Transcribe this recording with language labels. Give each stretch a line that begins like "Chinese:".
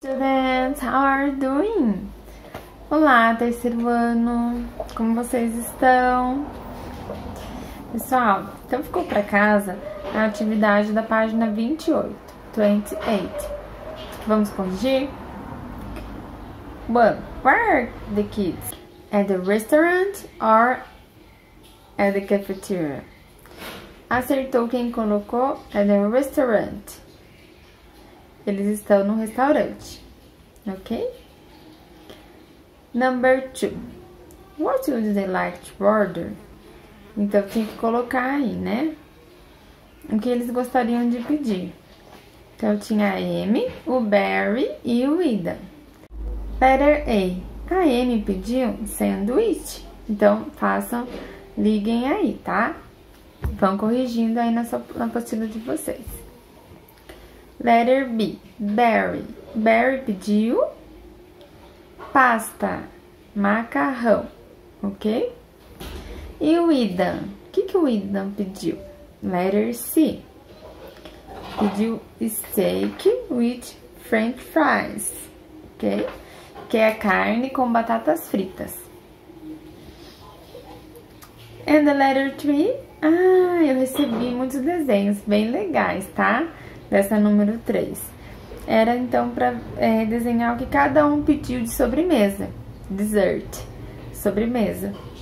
English: Students, how are you doing?
Portuguese: Olá, terceiro ano, como vocês estão? Pessoal, então ficou para casa a atividade da página 28, 28. Vamos corrigir?
English: Well, where are the kids? At the restaurant or at the cafeteria?
Portuguese: Acertou quem colocou
English: at the restaurant.
Portuguese: Eles estão no restaurante.
English: Ok? Number two. What would they like to order?
Portuguese: Então, tem que colocar aí, né? O que eles gostariam de pedir. Então, tinha a Amy, o Barry e o Ida.
English: Letter A.
Portuguese: A Amy pediu sanduíche. Então, façam, liguem aí, tá? Vão corrigindo aí na apostila de vocês.
English: Letter B.
Portuguese: Barry. Barry pediu pasta, macarrão, ok? E o Idan? O que o Idan pediu?
English: Letter C.
Portuguese: Pediu
English: steak with french fries, ok?
Portuguese: Que é carne com batatas fritas.
English: And the letter 3?
Portuguese: Ah, eu recebi muitos desenhos bem legais, tá? Dessa número 3. Era então para desenhar o que cada um pediu de sobremesa. Dessert. Sobremesa.